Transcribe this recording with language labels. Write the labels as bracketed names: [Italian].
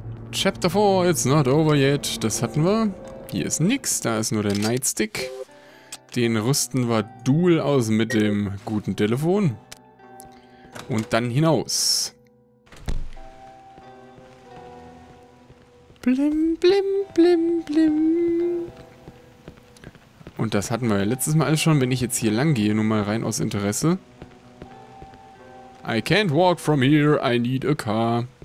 [English] Chapter 4, it's not over yet. [German] Das hatten wir. Hier ist nix, da ist nur der Nightstick. Den rüsten wir dual aus mit dem guten Telefon. Und dann hinaus. Blim, blim, blim, blim. Und das hatten wir ja letztes Mal alles schon, wenn ich jetzt hier lang gehe, nur mal rein aus Interesse. [English] I can't walk from here, I need a car.